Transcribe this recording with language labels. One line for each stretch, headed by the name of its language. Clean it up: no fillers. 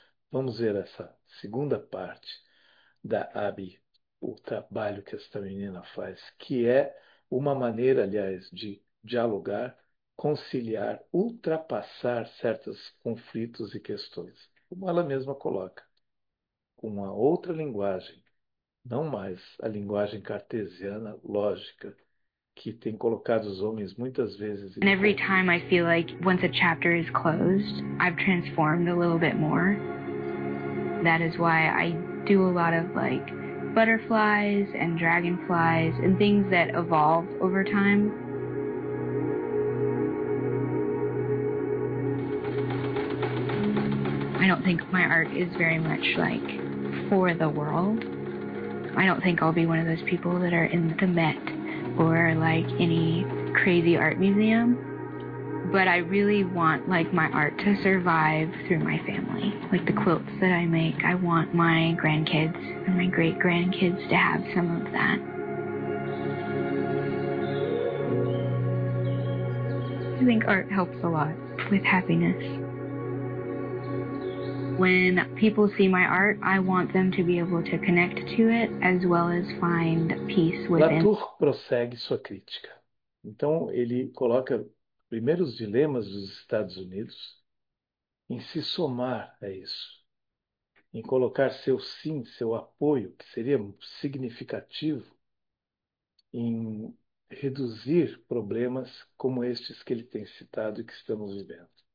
Portuguese: Vamos ver essa segunda parte da Abby, o trabalho que esta menina faz, que é uma maneira, aliás, de dialogar, conciliar, ultrapassar certos conflitos e questões, como ela mesma coloca, com uma outra linguagem. Não mais a linguagem cartesiana, lógica, que tem colocado os homens muitas vezes em
English: And every
Portuguese: conflito.
English: time I feel like once a chapter is closed, I've transformed a little bit more. That is why I do a lot of like butterflies and dragonflies and things that evolve over time. I don't think my art is very much like for the world. I don't think I'll be one of those people that are in the Met or like any crazy art museum. But I really want like my art to survive through my family. Like the quilts that I make, I want my grandkids and my great-grandkids to have some of that. I think art helps a lot with happiness. When people see my art, I want them to be able to connect to it as well as find peace within.
Portuguese: Latour prossegue sua crítica. Então, ele coloca primeiros dilemas dos Estados Unidos em se somar a isso, em colocar seu sim, seu apoio, que seria significativo, em reduzir problemas como estes que ele tem citado e que estamos vivendo.